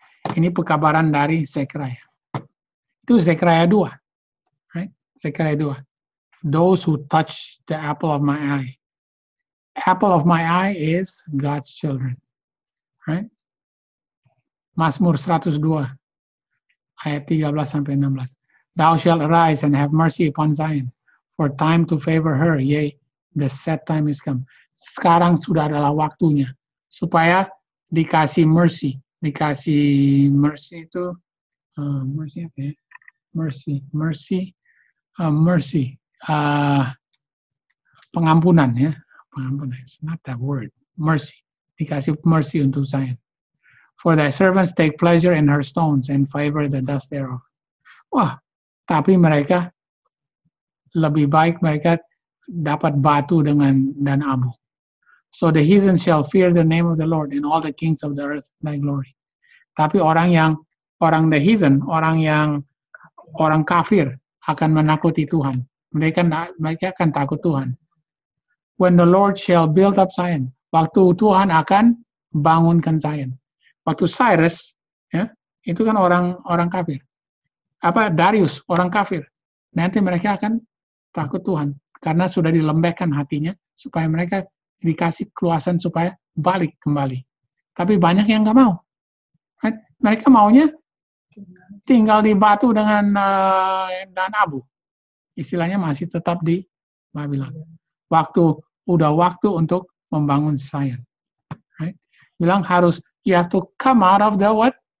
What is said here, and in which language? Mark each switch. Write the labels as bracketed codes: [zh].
[id] Ini pekabaran dari Zechariah. Itu Zechariah 2. Right? Zechariah 2. [en] Those who touch the apple of my eye. Apple of my eye is God's children. Right? [id] Mazmur 102 ayat 13 sampai 16. [en] Thou shalt arise and have mercy upon Zion, for time to favor her, yea, the set time is come. [id] Sekarang sudah adalah waktunya supaya dikasih mercy. Dikasih mercy itu mercy apa ya? Pengampunan ya. Pengampunan. [en] It's not that word. [id] Mercy. dikasih mercy untuk Zion. [en] For thy servants take pleasure in her stones and favor the dust thereof. [id] Wah, tapi mereka lebih baik mereka dapat batu dengan dan abu. [en] So the heathen shall fear the name of the Lord and all the kings of the earth thy glory. [id] Tapi orang yang orang the heathen, orang yang orang kafir akan menakuti Tuhan. Mereka akan takut Tuhan. [en] When the Lord shall build up Zion, [id] waktu Tuhan akan bangunkan Zion. Waktu Cyrus, ya, itu kan orang kafir. Apa Darius, orang kafir. Nanti mereka akan takut Tuhan karena sudah dilembekkan hatinya supaya mereka dikasih keluasan supaya balik kembali. Tapi banyak yang enggak mau. Mereka maunya tinggal di batu dengan abu. Istilahnya masih tetap di Babilon. Waktu udah waktu untuk membangun Zion. [en] Right? [id] Bilang harus [en] you have to come out of the what?